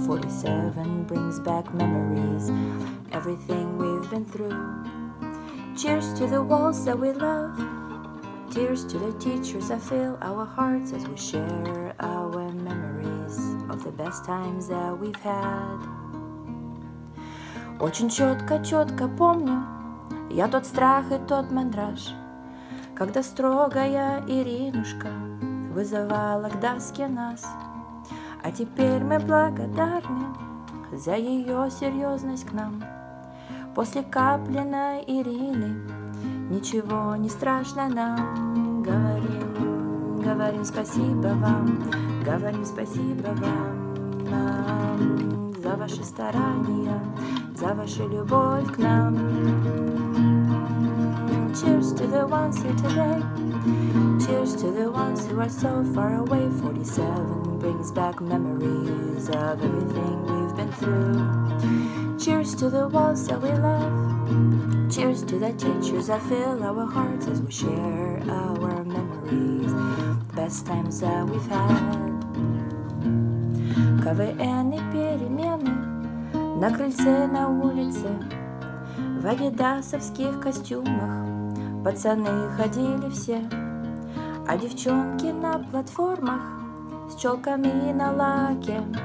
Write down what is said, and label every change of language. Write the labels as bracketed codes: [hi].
[en] 47 brings back memories, everything we've been through. Cheers to the walls that we love. Tears to the teachers that fill our hearts as we share our memories of the best times that we've had. [ru] Очень четко-четко помню я тот страх и тот мандраж, когда строгая Иринушка вызывала к доске нас. А теперь мы благодарны за ее серьезность к нам. После капленной Ирины ничего не страшно нам. Говорим, говорим спасибо вам, говорим спасибо вам, нам, за ваши старания, за вашу любовь к нам. [en] Cheers to the ones here today. Cheers to the ones who are so far away. 47 brings back memories of everything we've been through. Cheers to the walls that we love. Cheers to the teachers that fill our hearts as we share our memories, the best times that we've had. [ru] КВН и перемены на крыльце, на улице, в адидасовских костюмах пацаны ходили все, а девчонки на платформах с челками на лаке.